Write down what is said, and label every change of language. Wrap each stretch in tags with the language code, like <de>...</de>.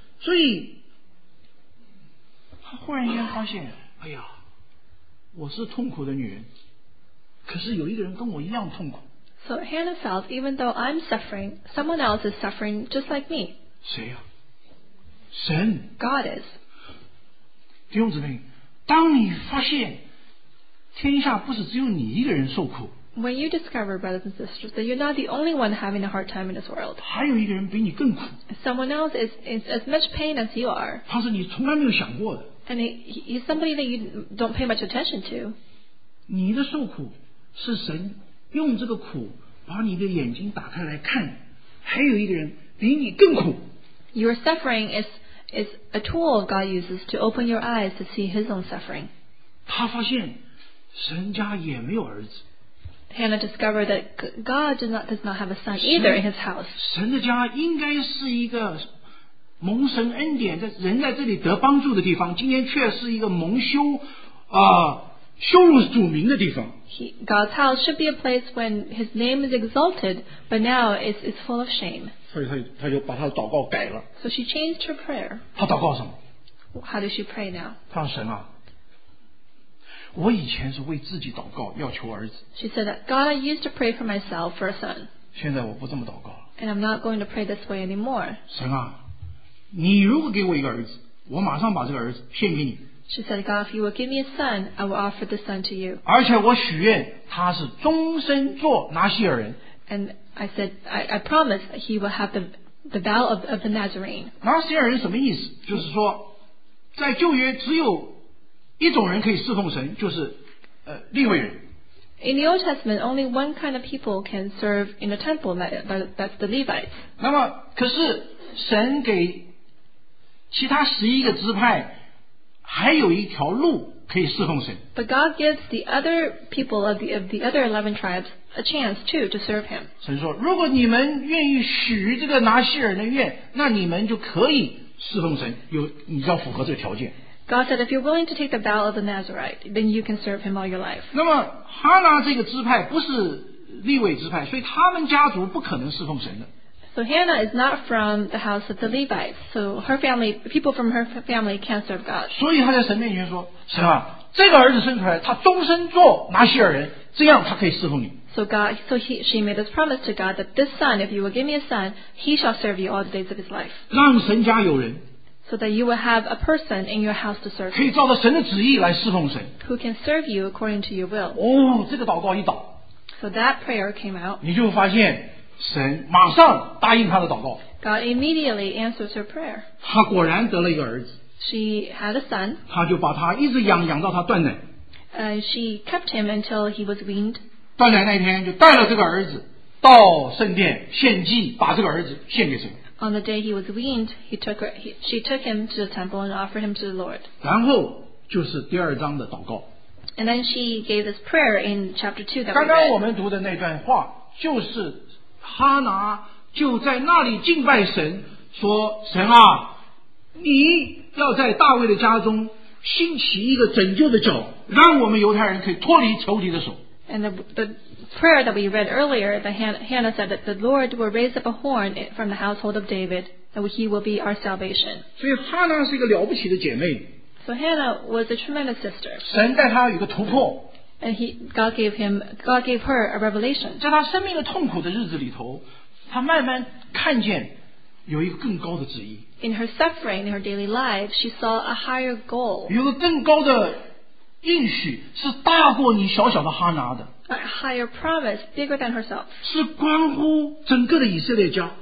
<zh>所以，他忽然间发现，哎呀，我是痛苦的女人，可是有一个人跟我一样痛苦。</zh> <en>So Hannah felt, even though I'm suffering, someone else is suffering just like me.</en> <zh>谁呀？神。</zh> <en>God is.</en> <zh>弟兄姊妹，当你发现天下不是只有你一个人受苦，</zh> <en>When you discover, brothers and sisters, that you're not the only one having a hard time in this world,</en> <zh>还有一个人比你更苦，</zh> <en>Someone else is as much pain as you are,</en> <zh>他是你从来没有想过的，</zh> <en>And he's somebody that you don't pay much attention to.</en> <zh>你的受苦是神用这个苦把你的眼睛打开来看，还有一个人比你更苦。</zh> <en>Your suffering is a tool God uses to open your eyes to see His own suffering.</en> <zh>他发现神家也没有儿子。</zh> <en>Hannah discovered that God does not have a son either in his house.</en> <zh>神的家应该是一个蒙神恩典，人在这里得帮助的地方，今天却是一个蒙羞啊。羞辱主名的地方。</zh> <en>God's house should be a place when His name is exalted, but now it's full of shame.</en> <zh>所以他就把他的祷告改了。</zh> <en>So she changed her prayer.</en> <zh>他祷告什么？</zh> <en>How does she pray now?</en> <zh>他说：“神啊，我以前是为自己祷告，要求儿子。”</zh> <en>She said that God, I used to pray for myself for a son.</en> <zh>现在我不这么祷告了。</zh> <en>And I'm not going to pray this way anymore.</en> <zh>神啊，你如果给我一个儿子，我马上把这个儿子献给你。</zh> <en>She said, God, if you will give me a son, I will offer the son to you.</en> <zh>而且我许愿他是终身做拿细耳人。</zh> <en>And I said, I promise he will have the vow of the Nazarene.</en> <zh>拿细耳人什么意思？就是说，在旧约只有一种人可以侍奉神，就是利未人。</zh> <en>In the Old Testament, only one kind of people can serve in the temple, that's the Levites.</en> <zh>那么，可是神给其他十一个支派还有一条路可以侍奉神。</zh> <en>But God gives the other people of the other 11 tribes a chance too to serve Him.</en> <zh>神说，如果你们愿意许这个拿细耳人的愿，那你们就可以侍奉神。你要符合这个条件。</zh> <en>God said, if you're willing to take the vow of the Nazarite, then you can serve Him all your life.</en> <zh>那么哈拿这个支派不是利未支派，所以他们家族不可能侍奉神的。</zh> <en>So Hannah is not from the house of the Levites. So her family, people from her family can't serve God.</en> <zh>所以她在神面前说，神啊，这个儿子生出来，他终身做拿细耳人，这样他可以侍奉你。</zh> <en>So she made this promise to God that this son, if you will give me a son, he shall serve you all the days of his life.</en> <zh>让神家有人。</zh> <en>So that you will have a person in your house to serve.</en> <zh>可以照着神的旨意来侍奉神。</zh> <en>Who can serve you according to your will.</en> <zh>哦，这个祷告一祷。</zh> <en>So that prayer came out.</en> <zh>你就发现神马上答应他的祷告。</zh> <en>God immediately answers her prayer.</en> <zh>他果然得了一个儿子。</zh> <en>She had a son.</en> <zh>他就把他一直养到他断奶。</zh> <en>She kept him until he was weaned.</en> <zh>断奶那天就带了这个儿子到圣殿献祭，把这个儿子献给神。</zh> <en>On the day he was weaned, she took him to the temple and offered him to the Lord.</en> <zh>然后就是第二章的祷告。</zh> <en>And then she gave this prayer in chapter 2 that we read.</en> <zh>刚刚我们读的那段话就是哈拿就在那里敬拜神，说神啊，你要在大卫的家中兴起一个拯救的脚，让我们犹太人可以脱离仇敌的手。</zh> <en>And the prayer that we read earlier, Hannah said that the Lord will raise up a horn from the household of David, that he will be our salvation.</en> <zh>所以哈拿是一个了不起的姐妹。</zh> <en>So Hannah was a tremendous sister.</en> <zh>神带她有个突破。</zh> <en>And God gave her a revelation.</en> <zh>在他生命的痛苦的日子里头，他慢慢看见有一个更高的旨意。</zh> <en>In her suffering, in her daily life, she saw a higher goal.</en> <zh>有个更高的应许是大过你小小的哈拿的。</zh> <en>A higher promise, bigger than herself.</en> <zh>是关乎整个的以色列家。</zh>